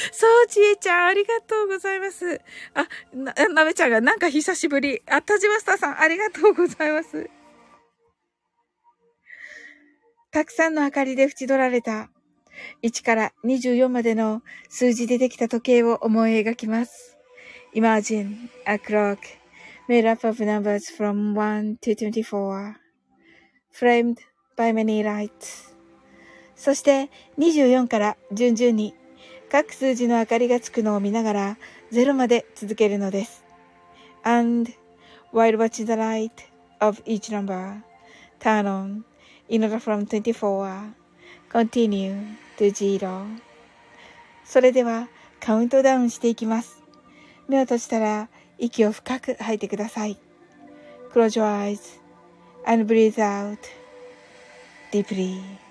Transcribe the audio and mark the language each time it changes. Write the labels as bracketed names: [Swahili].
[Japanese] そう、ちえちゃん、ありがとうございます。あ、なべちゃんがなんか久しぶり。あ、田島スターさん、ありがとうございます。たくさんの明かりで縁取られた。1から24までの数字でできた時計を思い描きます。 [English] Imagine a clock made up of numbers from 1 to 24, framed by many lights. [Japanese] そして24から順々に各数字の明かりがつくのを見ながら0まで続けるのです。 [English] And while watching the light of each number, turn on in order from 24, continue. 0. [Japanese] それではカウントダウンしていきます。目を閉じたら息を深く吐いてください。 [English] Close your eyes and breathe out deeply.